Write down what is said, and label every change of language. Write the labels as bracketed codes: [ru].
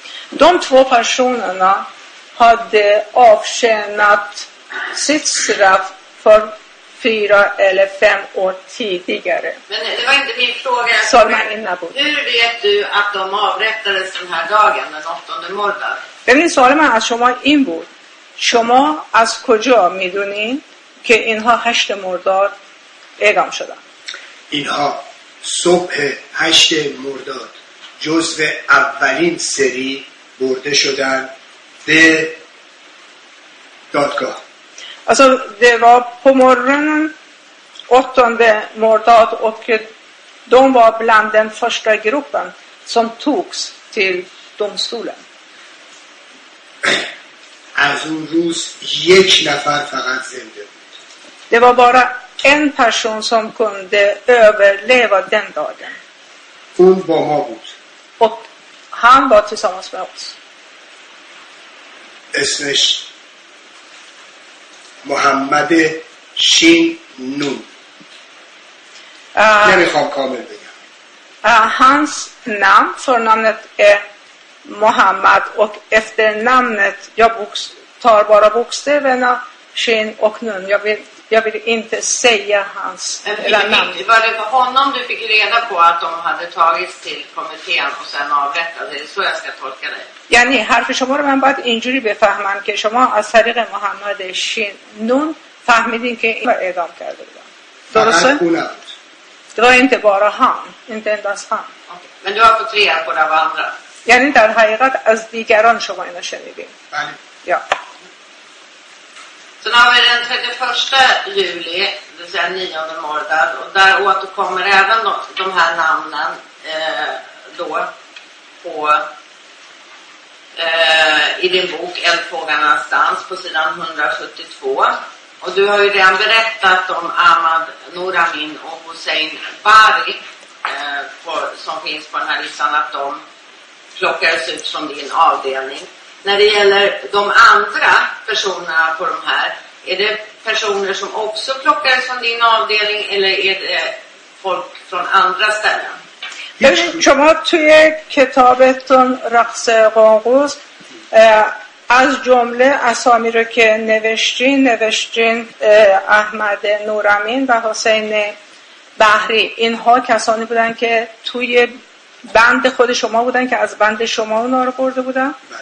[sv] De två personerna hade avtjänat sitt straff för 4 eller 5 år tidigare. Men det var inte min fråga. Hur vet du att de avrättades den här dagen, den 8 mordag? Men min Salman, att som var inbord. [fa] شما از کجا میدونین که اینها 8 مرداد اعدام شدن؟ اینها صبح 8 مرداد جزء اولین سری برده شدن به دادگاه. [sv] Alltså det var på morgonen 8 mordag och de var bland den första gruppen som togs till domstolen. [fa] از اون روز یک نفر فقط زنده بود. [sv] Det var bara en person som kunde överleva den dagen. [fa] اون با ما بود. [sv] Och han var tillsammans med oss. [fa] اسمش محمد شین نون. یه میخوام کامل بگم. [sv] Hans namn, förnamnet är Mohammed och efternamnet jag tar bara bokstäverna Shin och Nun. Jag vill inte säga hans eller namn. Var det för honom du fick reda på att de hade tagits till kommittén och sen avrättade? Det är så jag ska tolka det. Ja, nej. [fa] Harf شما رو من باید اینجوری بفهمم که شما از طریق محمد شین نون فهمیدین که این اعدام کرده بودن. درسته؟ [sv] Det var inte bara han. Inte endast han. Okay. Men du har fått reda på det av andra. [fa] یعنی در حقیقت از دیگران شما اینو شنیدیم. بله. یا. Så [sv] har vi den 31 juli, det är 9 mordad och där återkommer även de här namnen då på i din bok Eldfågarnas dans på sidan 172. Och du har ju redan berättat om Ahmad Nouramin och Hussein Bari som finns på den här listan att de plockades ut från din avdelning. När det gäller de andra personerna på de här, är det personer som också plockades från din avdelning eller är det folk från andra ställen? [fa] شما توی کتابتون رقص قنقوز از جمله اسامی رو که نوشتین احمد نورامین و حسین بحری، اینها کسانی بودن که توی بند خود شما بودن که از بند شما رو نارو برده بودن؟